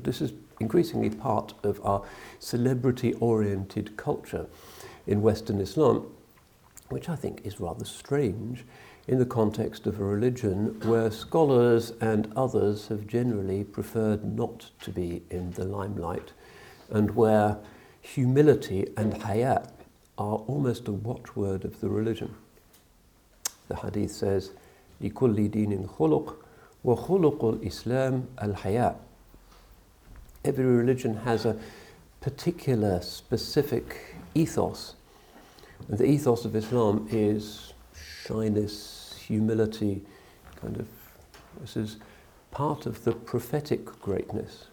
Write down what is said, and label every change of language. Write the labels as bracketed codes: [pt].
[en] This is increasingly part of our celebrity-oriented culture in Western Islam, which I think is rather strange in the context of a religion where scholars and others have generally preferred not to be in the limelight, and where humility and haya are almost a watchword of the religion. The hadith says, [ar] لِكُلِّ دِينٍ خُلُقٍ وَخُلُقُ الْإِسْلَامِ الْحَيَاءِ. [en] Every religion has a particular, specific ethos. And the ethos of Islam is shyness, humility, kind of, this is part of the prophetic greatness.